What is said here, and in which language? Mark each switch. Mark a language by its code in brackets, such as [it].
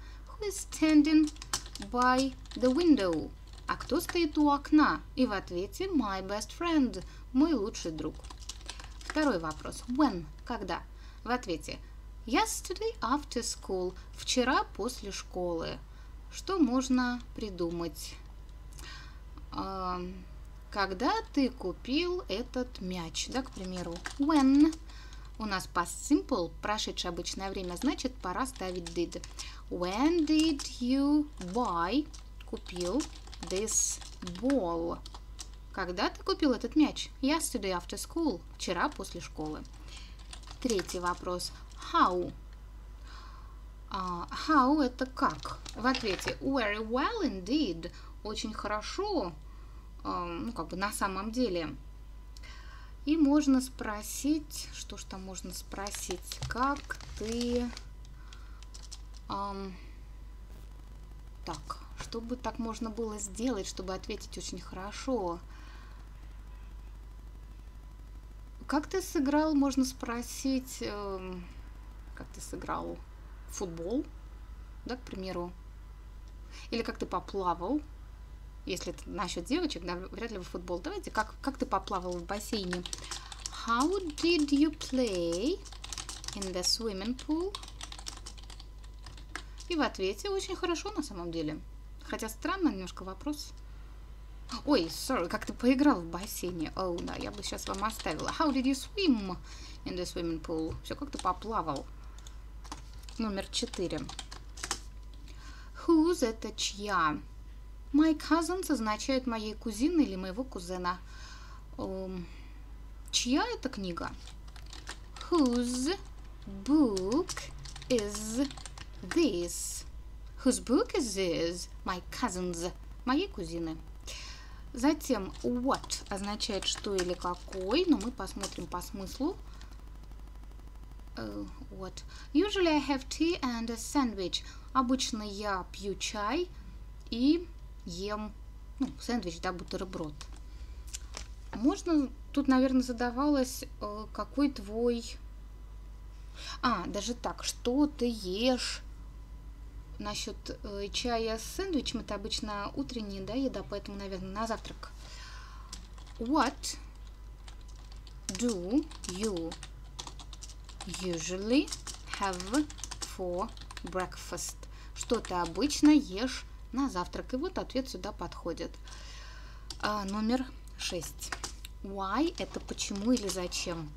[en] Who is standing by the window? [ru] А кто стоит у окна? И в ответе [en] my best friend, [ru] мой лучший друг. Второй вопрос. [en] When? [ru] Когда? В ответе [en] yesterday after school, [ru] вчера после школы. Что можно придумать? Когда ты купил этот мяч? Да, к примеру, [en] when. [ru] У нас past simple, прошедшее обычное время, значит, пора ставить did. [en] When did you buy, [ru] купил, [en] this ball? [ru] Когда ты купил этот мяч? [en] Yesterday after school, [ru] вчера после школы. Третий вопрос. [en] How? How [ru] – это как? В ответе [en] very well indeed, [ru] очень хорошо, ну, как бы на самом деле. И можно спросить, что ж там можно спросить, как ты, так, чтобы так можно было сделать, чтобы ответить очень хорошо. Как ты сыграл, можно спросить, как ты сыграл футбол, да, к примеру, или как ты поплавал. Если это насчет девочек, да, вряд ли вы футбол. Давайте, как ты поплавал в бассейне? [en] How did you play in the swimming pool? [ru] И в ответе очень хорошо на самом деле. Хотя странно немножко вопрос. Ой, [en] sorry, [ru] как ты поиграл в бассейне? [en] Oh, [ru] да, я бы сейчас вам оставила. [en] How did you swim in the swimming pool? [ru] Все, как ты поплавал. Номер 4. [en] Who's [ru] это чья? [en] My cousins [ru] означает моей кузины или моего кузена. Чья это книга? [en] Whose book is this? Whose book is this? My cousins. [ru] Моей кузины. Затем [en] what [ru] означает что или какой, но мы посмотрим по смыслу. [en] What? Usually I have tea and a sandwich. [ru] Обычно я пью чай и ем, ну, сэндвич, да, бутерброд. Можно, тут, наверное, задавалось, какой твой... А, даже так, что ты ешь? Насчет чая с сэндвичем, это обычно утренняя, да, еда, поэтому, наверное, на завтрак. [en] What do you usually have for breakfast? [ru] Что ты обычно ешь на завтрак? И вот ответ сюда подходит. Номер 6. [en] Why [ru] – это почему или зачем?